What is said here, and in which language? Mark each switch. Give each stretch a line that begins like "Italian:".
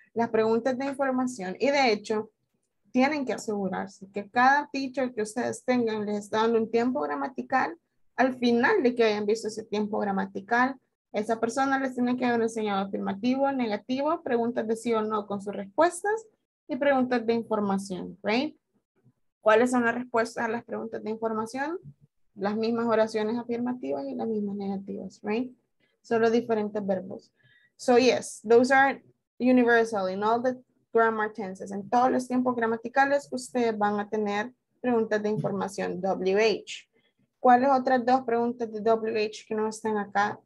Spanish: Las preguntas de información, y de hecho, tienen que asegurarse que cada teacher que ustedes tengan les está dando un tiempo gramatical, al final de que hayan visto ese tiempo gramatical, esa persona les tiene que haber enseñado afirmativo, negativo, preguntas de sí o no con sus respuestas, y preguntas de información,
English: right?
Spanish: ¿Cuáles son las respuestas a las preguntas de información? Las mismas oraciones afirmativas y las mismas negativas,
English: right?
Spanish: Solo diferentes verbos.
English: So yes, those are universal in all the grammar tenses.
Spanish: En todos los tiempos gramaticales, ustedes van a tener preguntas de información, WH. ¿Cuáles otras dos preguntas de WH que no están acá?